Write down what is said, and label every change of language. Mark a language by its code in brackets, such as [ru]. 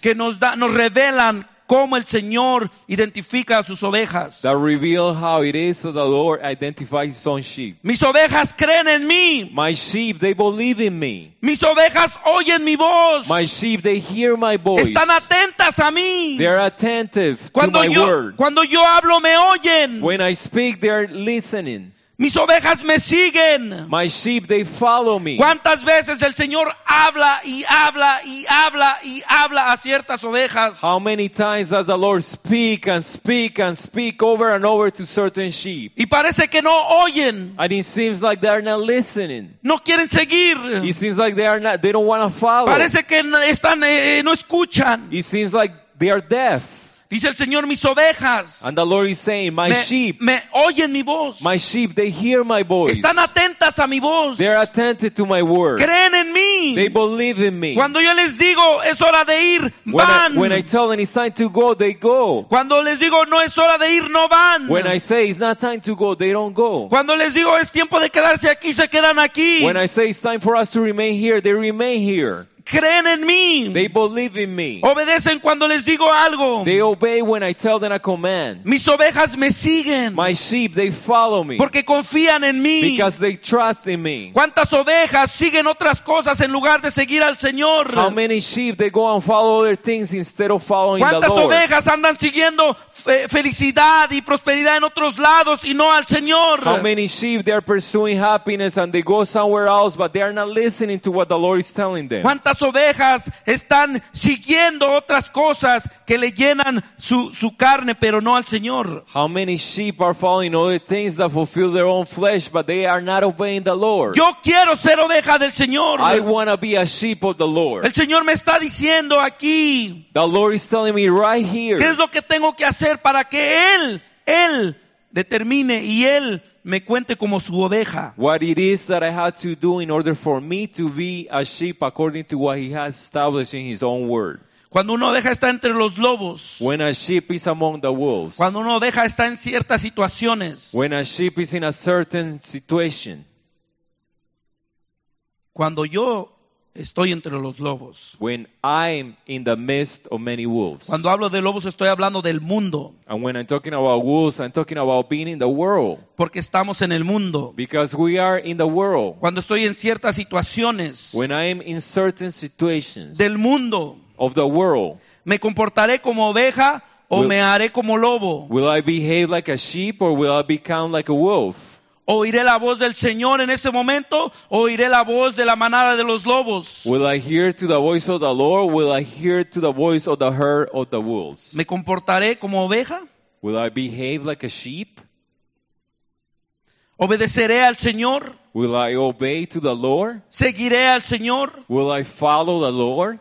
[es] Que nos da, nos revelan cómo el Señor identifica a sus ovejas. [en] That reveal how it is that the Lord identifies his own sheep. [es] Mis ovejas creen en mí. [en] My sheep, they believe in me. [es] Mis ovejas oyen mi voz. [en] My sheep, they hear my voice. [es] Están atentas a mí. [en] They are attentive to my word. [es] Cuando yo hablo, me oyen. [en] When I speak, they are listening. [es] Mis ovejas me siguen. [en] My sheep, they follow me. [es] ¿Cuántas veces el Señor habla y habla y habla y habla a ciertas ovejas? [en] How many times does the Lord speak and speak and speak over and over to certain sheep? [es] Y parece que no oyen. [en] And it seems like they are not listening. [es] No quieren seguir. [en] It seems like they don't want to follow. [es] Parece que están, no escuchan. [en] It seems like they are deaf. [es] Dice el Señor, mis ovejas. [en] And the Lord is saying, my sheep. [es] Me oyen mi voz. [en] My sheep, they hear my voice. [es] Están atentas a mi voz. [en] They are attentive to my word. [es] Creen en mí. [en] They believe in me. [es] Cuando yo les digo, es hora de ir, van. [en] When I tell them it's time to go, they go. [es] Cuando les digo, no es hora de ir, no van. [en] When I say it's not time to go, they don't go. [es] Cuando les digo, es tiempo de quedarse aquí, se quedan aquí. [en] When I say it's time for us to remain here, they remain here. [es] Creen en mí. [en] They believe in me. [es] Obedecen cuando les digo algo. [en] They obey when I tell them a command. [es] Mis ovejas me siguen. [en] My sheep, they follow me. [es] Porque confían en mí. [en] Because they trust in me. [es] ¿Cuántas ovejas siguen otras cosas en lugar de seguir al Señor? [en] How many sheep they go and follow other things instead of following [es] ¿Cuántas [en] the Lord? [es] Ovejas andan siguiendo felicidad y prosperidad en otros lados y no al Señor? [en] How many sheep they are pursuing happiness and they go somewhere else but they are not listening to what the Lord is telling them? [es] Las ovejas están siguiendo otras cosas que le llenan su carne, pero no al Señor. [en] How many sheep are following other things that fulfill their own flesh, but they are not obeying the Lord? [es] Yo quiero ser oveja del Señor. [en] I want to be a sheep of the Lord. [es] El Señor me está diciendo aquí. [en] The Lord is telling me right here. [es] ¿Qué es lo que tengo que hacer para que él determine y él me cuente como su oveja? [en] What it is that I have to do in order for me to be a sheep according to what he has established in his own word. [es] Cuando una oveja está entre los lobos. [en] When a sheep is among the wolves. [es] Cuando una oveja está en ciertas situaciones. [en] When a sheep is in a certain situation. [es] Cuando yo estoy entre los lobos. [en] When I'm in the midst of many wolves. [es] Cuando hablo de lobos estoy hablando del mundo. [en] And when I'm talking about wolves, I'm talking about being in the world. [es] Porque estamos en el mundo. [en] Because we are in the world. [es] Cuando estoy en ciertas situaciones. [en] When I'm in certain situations. [es] Del mundo. [en] Of the world. [es] Me comportaré como oveja o me haré como lobo. [en] Will I behave like a sheep or will I become like a wolf? [es] ¿Oiré la voz del Señor en ese momento o oiré la voz de la manada de los lobos? [en] Will I hear to the voice of the Lord? Will I hear to the voice of the herd of the wolves? [es] ¿Me comportaré como oveja? [en] Will I behave like a sheep? [es] ¿Obedeceré al Señor? [en] Will I obey to the Lord? [es] ¿Seguiré al Señor? [en] Will I follow the Lord?